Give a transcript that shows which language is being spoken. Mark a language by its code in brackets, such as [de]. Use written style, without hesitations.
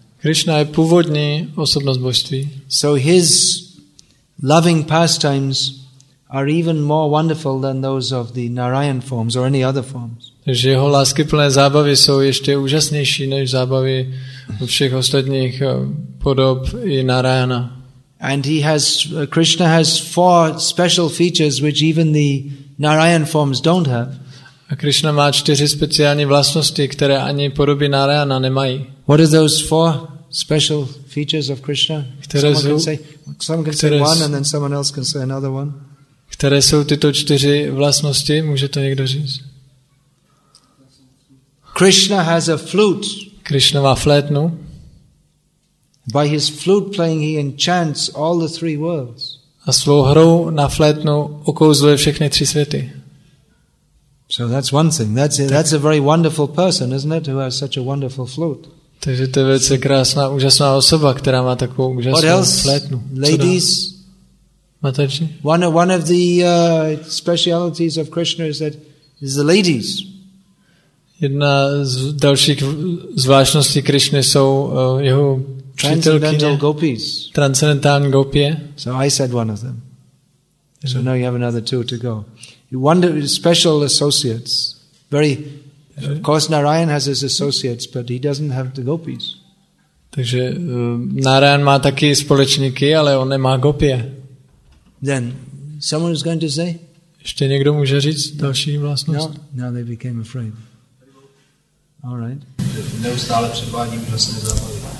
[cs] Krishna je původní osobnost božství. [en] So his loving pastimes are even more wonderful than those of the Narayan forms or any other forms. [cs] Takže jeho láskyplné zábavy jsou ještě úžasnější než zábavy všech ostatních podob i Narayana. [en] And Krishna has four special features which even the Narayan forms don't have. [cs] A Krishna má čtyři speciální vlastnosti, které ani podoby Narayana nemají. [en] What are those four special features of Krishna? Someone can say one and then someone else can say another one. [cs] Které jsou tyto čtyři vlastnosti? Může to někdo říct? [en] Krishna has a flute. [cs] Krishna má flétnu. [en] By his flute playing he enchants all the three worlds. [cs] A svou hrou na flétnu okouzluje všechny tři světy. [en] So that's one thing. That's a very wonderful person, isn't it, who has such a wonderful flute. [cs] Takže to je velice krásná, úžasná osoba, která má takovou úžasnou flétnu. [en] Ladies, Mataji? One of the specialities of Krishna is that is the ladies. [cs] Jedna z dalších zvláštností Krishny jsou jeho přítelkyně. [en] Transcendental gopis. So I said one of them. So now you have another two to go. One special associates. Very, of course, Narayan has his associates, but he doesn't have the gopis. [cs] Takže Narayan má taky společníky, ale on nemá gopie. [en] Then someone is going to say? [cs] Ještě někdo může říct další vlastnost? [en] No, now they became afraid. All right. [cs] Neustále předvádí úžasné zábavy.